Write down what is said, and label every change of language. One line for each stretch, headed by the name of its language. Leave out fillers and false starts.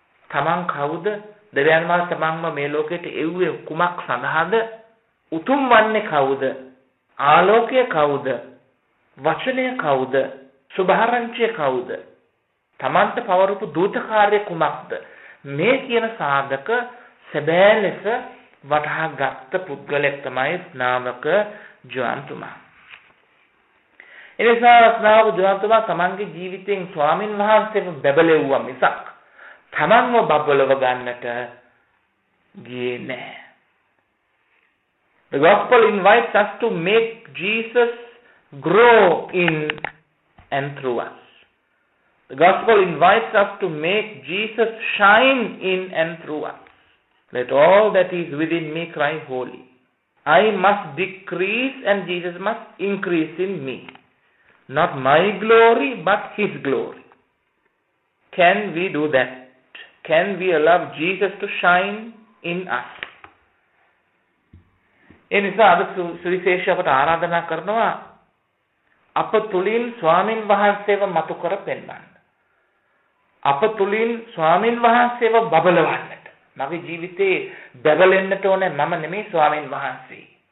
Sinhala: තමන් කවුද, දෙවියන් වහන්සේ තමන්ව මේ ලෝකෙට එව්වේ කුමක් සඳහාද, උතුම් වන්නේ කවුද, ආලෝකය කවුද, වචනය කවුද, සුභාරංචිය කවුද, තමන්ට පවරුපු දූතකාරය කුමක්ද, මේ කියන සාධක සැබෑ ලෙස වටහා ගත්ත පුද්ගලයෙක් තමයි ස්නාවක ජවන්තුමා. එනිසා ස්නාවක ජවන්තුමා තමන්ගේ ජීවිතයෙන් ස්වාමින් වහන්සේව බැබලෙව්වා මිසක් තමන්ව බබලව ගන්නට ගියේ නැහැ.
English: The gospel invites us to make Jesus grow in and through us. The gospel invites us to make Jesus shine in and through us. Let all that is within me cry holy. I must decrease and Jesus must increase in me. Not my glory, but His glory. Can we do that? Can we allow Jesus to shine in us?
Sinhala: ඒ නිසා අද සුවිශේෂ අපට ආරාධනා කරනවා අප තුළින් ස්වාමින් වහන්සේව මතු කර පෙන්වන්න, අප තුළින් ස්වාමින් වහන්සේව බබලවන්නට. මගේ ජීවිතේ බබලෙන්නට ඕනේ මම නෙමේ ස්වාමින් වහන්සේ.